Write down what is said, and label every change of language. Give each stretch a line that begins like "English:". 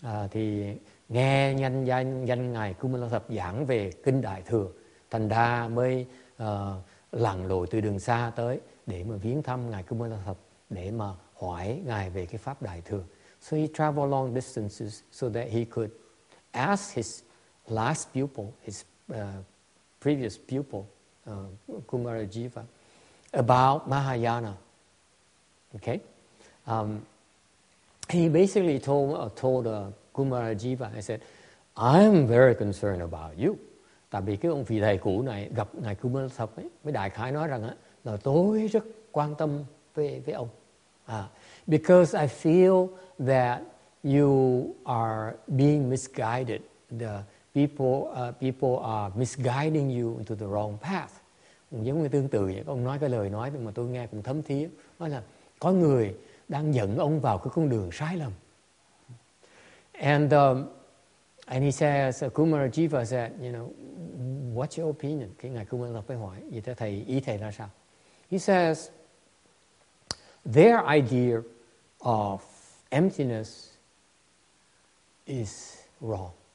Vietnamese: Thì nghe nhanh danh ngài Kumara Thập giảng về kinh Đại thừa, thành ra mới lặn lội từ đường xa tới để mà viếng thăm ngài Kumara Thập, để mà hỏi ngài về cái pháp đại thừa.
English: So he traveled long distances so that he could ask his last pupil, his previous pupil, Kumarajiva, about Mahayana. Okay, he basically told Kumarajiva, I said, I am very concerned about you.
Vietnamese: Tại vì cái ông vị thầy cũ này gặp ngài Kumarajiva ấy, mới đại khái nói rằng là tôi rất quan tâm về ông.
English: Because I feel that you are being misguided. The people are misguiding you into the wrong path.
Vietnamese: Giống như tương tự vậy, ông nói cái lời nói mà tôi nghe cũng thấm thía. Nói là có người đang dẫn ông vào cái con đường sai lầm.
English: And he says, Kumarajiva said, you know, what's your opinion?
Vietnamese: Cái ngài Kumarajiva hỏi, vậy thì thầy ý thầy là sao?
English: He says, their idea of emptiness is wrong.